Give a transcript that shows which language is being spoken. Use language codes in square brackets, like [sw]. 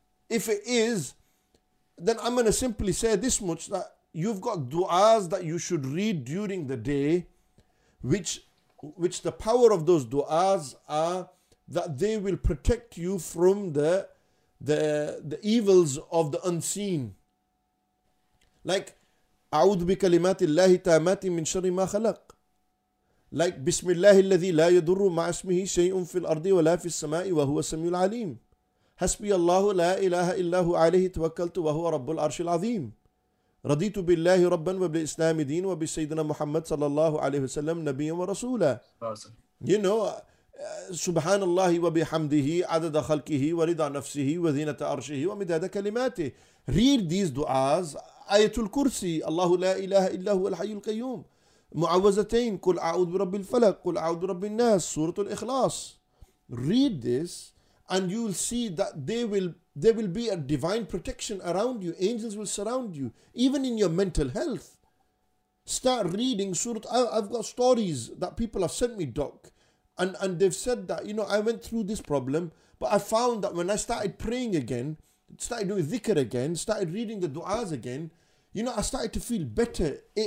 [en] If it is, then I'm going to simply say this much, that you've got du'as that you should read during the day, which the power of those du'as are that they will protect you from the evils of the unseen. Like, [ar] أعوذ بكلمات الله تامات من شر ما خلق. [en] Like, [ar] بسم الله الذي لا يضر مع اسمه شيء في الأرض ولا في السماء وهو السميع العليم. حسبي الله لا إله إلا هو عليه توكلت وهو رب العرش العظيم. رضيت بالله ربا وبالإسلام دين وبسيدنا محمد صلى الله عليه وسلم نبيا ورسولا. [en] You know, [ar] سبحان الله وبحمده عدد خلقه ورضا نفسه وزينة عرشه ومداد كلماته. [en] Read these du'as. [ar] آية الكرسي الله لا إله إلا هو الحي القيوم. معوذتين قل أعوذ برب الفلق قل أعوذ برب الناس سورة الإخلاص. [en] Read this. And you'll see that there will be a divine protection around you. Angels will surround you, even in your mental health. Start reading surah. I've got stories that people have sent me, Doc. And they've said that, you know, I went through this problem, but I found that when I started praying again, started doing dhikr again, started reading the du'as again, you know, I started to feel better.